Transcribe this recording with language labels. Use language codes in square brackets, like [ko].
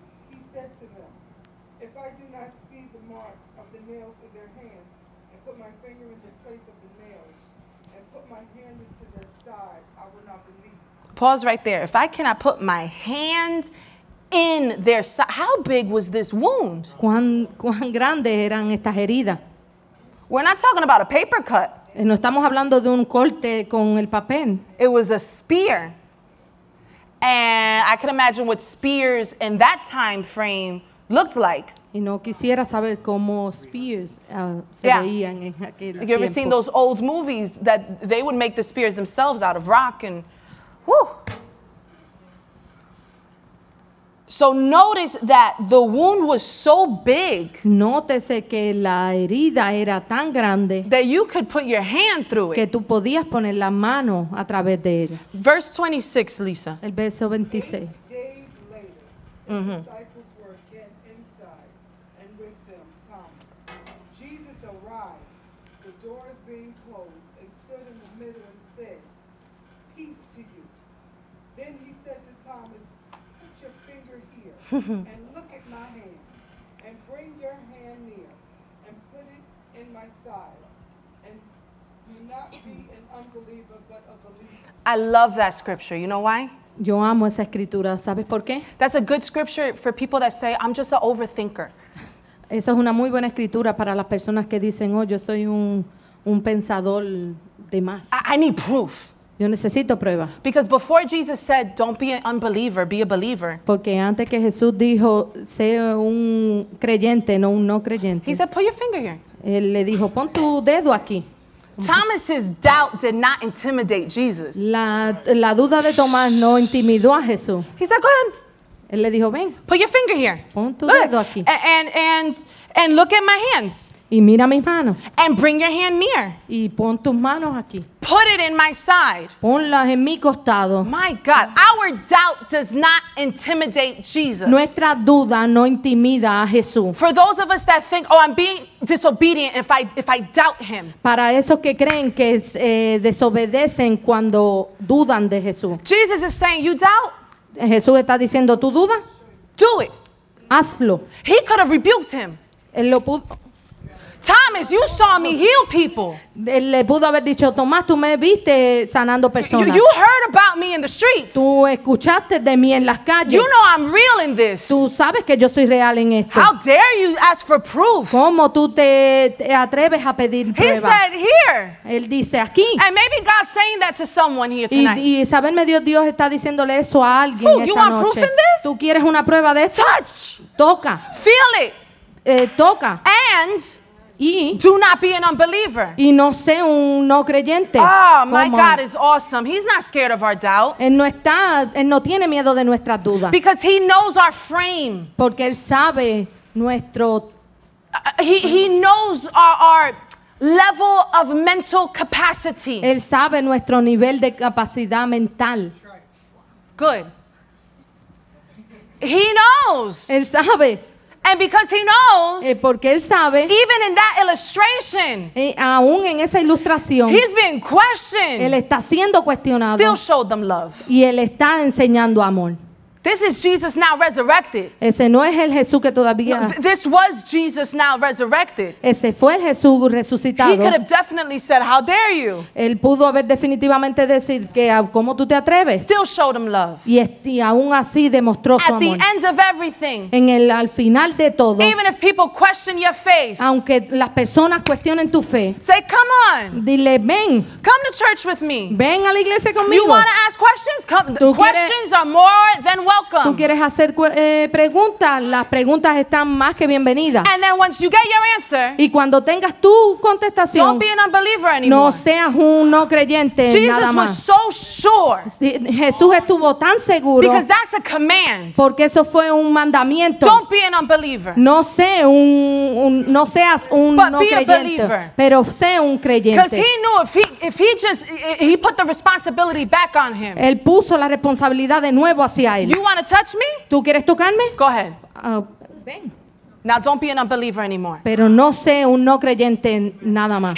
[en] He said to them, "If I do not see the mark of the nails in their hands and put my finger in the place of the nails and put my hand into their side, I will not believe." Pause right there. If I cannot put my hand in their side, how big was this wound? [es] ¿Cuán grandes eran estas heridas? [en] We're not talking about a paper cut. [es] No estamos hablando de un corte con el papel. [en] It was a spear. And I can imagine what spears in that time frame looked like. [es] Y no quisiera saber cómo spears se yeah. veían en aquel [en] you [es] tiempo. [en] You ever seen those old movies that they would make the spears themselves out of rock and... Whew. So notice that the wound was so big. [es] Nótese que la herida era tan grande. [en] That you could put your hand through it. [es] Que tú podías poner la mano a través de ella. [en] Verse 26, Lisa. [es] El verso 26. [en] 8 days later, mm-hmm. The disciples were again inside, and with them Thomas. Jesus arrived, the doors being closed, and stood in the middle and said, "Peace to you." Then he said to Thomas, "Put your finger here and look at my hands, and bring your hand near and put it in my side, and do not be an unbeliever but a believer." I love that scripture. You know why? [es] Yo amo esa escritura. ¿Sabes por qué? [en] That's a good scripture for people that say, "I'm just an overthinker." [es] Eso es una muy buena escritura para las personas que dicen, "Oh, yo soy un pensador demás. [en] I need proof. [es] Yo necesito prueba. [en] Because before Jesus said, "Don't be an unbeliever, be a believer." [es] Porque antes que Jesús dijo, "Sé un creyente, no un no creyente." [en] He said, "Put your finger here." [es] Él le dijo, "Pon tu dedo aquí." [en] Thomas's doubt did not intimidate Jesus. [es] La duda de Tomás no intimidó a Jesús. [en] He said, "Go ahead." [es] Él le dijo, "Ven." [en] "Put your finger here." [es] Pon tu dedo aquí. [en] And look at my hands. [es] Y mira mis manos. [en] And bring your hand near. [es] Y pon tus manos aquí. [en] Put it in my side. [es] Ponlas en mi costado. [en] My God, our doubt does not intimidate Jesus. [es] Nuestra duda no intimida a Jesús. [en] For those of us that think, "Oh, I'm being disobedient if I doubt him." [es] Para esos que creen que desobedecen cuando dudan de Jesús. [en] Jesus is saying, "You doubt?" [es] Jesús está diciendo, "¿Tú dudas?" [en] Do it. [es] Hazlo. [en] He could have rebuked him. [es] Él lo pudo. [en] Thomas, you saw me heal people. [es] Le pudo haber dicho, Tomás, tú me viste sanando personas. [en] You heard about me in the streets. [es] Tú escuchaste de mí en las calles. [en] You know I'm real in this. [es] Tú sabes que yo soy real en esto. [en] How dare you ask for proof? [es] ¿Cómo tú te atreves a pedir prueba? [en] He said, "Here." [es] Él dice, aquí. [en] And maybe God's saying that to someone here tonight. [es] Y saberme Dios está diciéndole eso a alguien esta noche. [en] You want proof in this? [es] ¿Tú quieres una prueba de esto? [en] Touch. [es] Toca. [en] Feel it. [es] Toca. [en] And... [es] Y, [en] do not be an unbeliever. [es] Y no sé un no creyente. [en] Oh, my God is awesome. He's not scared of our doubt. [es] Él no tiene miedo de nuestras dudas. [en] Because he knows our frame. [es] Porque él sabe nuestro. [en] He knows our level of mental capacity. [es] Él sabe nuestro nivel de capacidad mental. [en] Good. He knows. [es] Él sabe. [en] And because he knows, [es] porque él sabe, [en] even in that illustration, [es] aún en esa ilustración, [en] he's being questioned. [es] Él está siendo cuestionado. [en] Still showed them love. [es] Y él está enseñando amor. [en] This is Jesus now resurrected. [es] Ese no es el Jesús que todavía. No, [en] this was Jesus now resurrected. [es] Ese fue el Jesús resucitado. [en] He could have definitely said, "How dare you?" [es] Él pudo haber definitivamente decir que, "¿Cómo tú te atreves?" [en] Still showed him love. [es] Y aún así demostró su amor. [en] At the end of everything. [es] En el al final de todo. [en] Even if people question your faith. [es] Aunque las personas cuestionen tu fe. [en] Say, "Come on." [es] Dile, ven. [en] Come to church with me. [es] Ven a la iglesia conmigo. [en] You want to ask questions? Come. The questions are more than welcome. [es] Tú quieres hacer preguntas, las preguntas están más que bienvenidas. [en] And then once you get your answer, [es] y cuando tengas tu contestación, [en] don't be an unbeliever anymore. [es] No seas un no creyente. [en] Jesus [es] nada más. [en] Was so sure. [es] Jesús estuvo tan seguro. [en] Because that's a command. [es] Porque eso fue un mandamiento. [en] Don't be an unbeliever. [es] No seas un [en] but [es] no [en] be [es] creyente. [en] A believer. [es] Pero sé un creyente. [en] Because he knew if he put the responsibility back on him. [es] Él puso la responsabilidad de nuevo hacia él. [en] You want to touch me? [es] ¿Tú quieres tocarme? [en] Go ahead. [es] Ven. [en] Now don't be an unbeliever anymore. [es] Pero no sé un no creyente nada más.